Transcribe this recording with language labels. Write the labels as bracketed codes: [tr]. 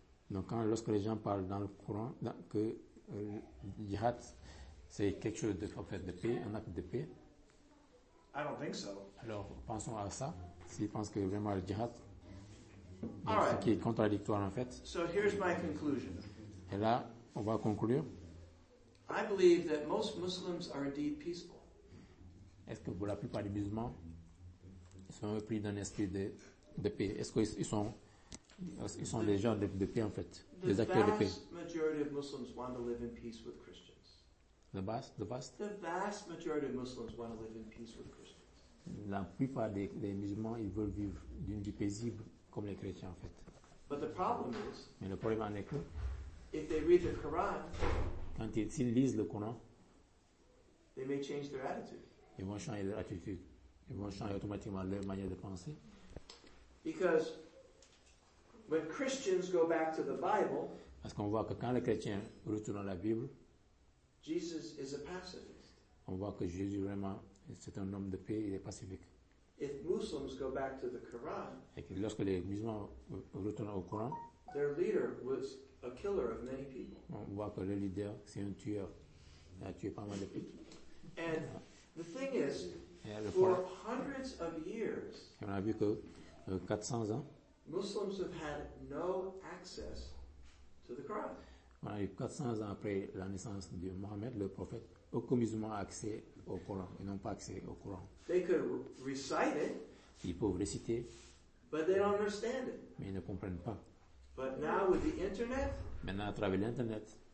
[fr] Donc, quand, lorsque les gens parlent dans le Coran, que jihad, c'est quelque chose de, en fait, de paix, un acte de paix. [en] I don't think so. [fr] Alors, pensons à ça. S'ils pensent que vraiment le jihad, donc, ce qui est contradictoire en fait. [en] So here's my conclusion. [fr] Et là, on va conclure. [en] I believe that most Muslims are indeed peaceful. [fr] Est-ce que pour la plupart des musulmans, ils sont pris d'un esprit de paix? Est-ce qu'ils sont, ils sont des gens de paix en fait, des acteurs de paix? [en] The vast majority of Muslims want to live in peace with Christians. The vast majority of Muslims want to live in peace with Christians. [fr] La plupart des musulmans, ils veulent vivre d'une vie paisible comme les chrétiens en fait. [en] But the problem is, [fr] mais le problème en est que, [en] if they read the Quran, [fr] quand ils lisent le Coran, [en] they may change their attitude. [fr] Ils vont changer leur attitude. Ils vont changer automatiquement leur manière de penser. [en] Because when Christians go back to the Bible, [fr] parce qu'on voit que quand les chrétiens retournent à la Bible, [en] Jesus is a pacifist. [fr] On voit que Jésus vraiment, c'est un homme de paix, il est pacifique. [en] If Muslims go back to the Quran, [fr] et que lorsque les musulmans retournent au Coran, [en] their leader was a killer of many people. [fr] On voit que le leader, c'est un tueur. Il a tué pas mal de people. [en] And the thing is, for hundreds of years, [fr] on a vu que, 400 ans, [en] Muslims have had no access to the Quran. [fr] On a eu 400 ans après la naissance de Mohammed, le prophète, aucun musulman n'a accès au Coran. Ils n'ont pas accès au Coran. [en] They could recite it, [fr] ils peuvent réciter, [en] but they don't understand it. [fr] Mais ils ne comprennent pas. [en] But now with the internet, [fr] maintenant, à travers l'Internet,